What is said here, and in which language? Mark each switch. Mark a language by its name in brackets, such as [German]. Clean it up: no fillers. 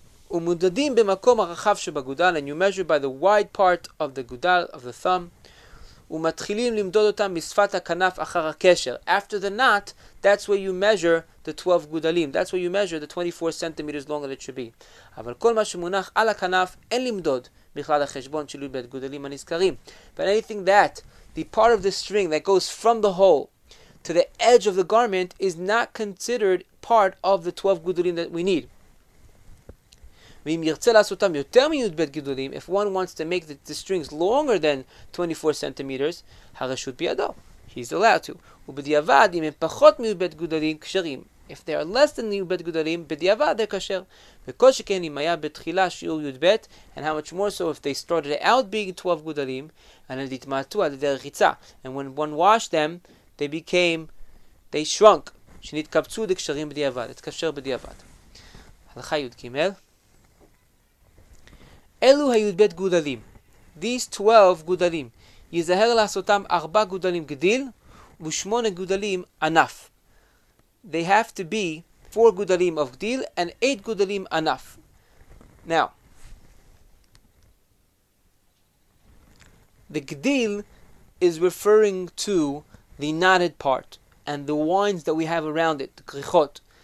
[Hebrew] ומודדים במקום הרחב שבגודל, [English] and you measure by the wide part of the gudal, of the thumb, [Hebrew] ומתחילים למדוד אותם משפת הכנף אחר הקשר. [English] After the knot, that's where you measure the 12 gudalim. That's where you measure the 24 centimeters long that it should be. [Hebrew] אבל כל מה שמונח על הכנף, אין למדוד בכלל החשבון שלו בית גודלים הנזכרים. [English] But anything that, the part of the string that goes from the hole to the edge of the garment is not considered part of the 12 gudalim that we need. [Hebrew] ואם ירצה לעשותם יותר מיוד בית גדולים, [English] if one wants to make the strings longer than 24 centimeters, [Hebrew] הרשות בידו, [English] he's allowed to. [Hebrew] ובדיעבד, אם הם פחות מיוד בית גדולים, כשרים. [English] If they are less than מיוד בית גדולים, בדיעבד, they're כשר. [Hebrew] וכל שכן, אם היה בתחילה שיעור יוד בית, [English] and how much more so if they started out being 12 גדולים, and then [Hebrew] התמעטו על ידי רחיצה. [English] And when one washed them, they shrunk, [Hebrew] שנתקבצו לקשרים בדיעבד, את כשר בדיעבד. הלכה יוד גימל. אלו היו בית גודלים. These 12 גודלים. יזהר לעשותם 4 גודלים גדיל ו8 גודלים ענף. [English] They have to be 4 גודלים of גדיל and 8 גודלים ענף. Now, the גדיל is referring to the knotted part and the winds that we have around it, the קריחות.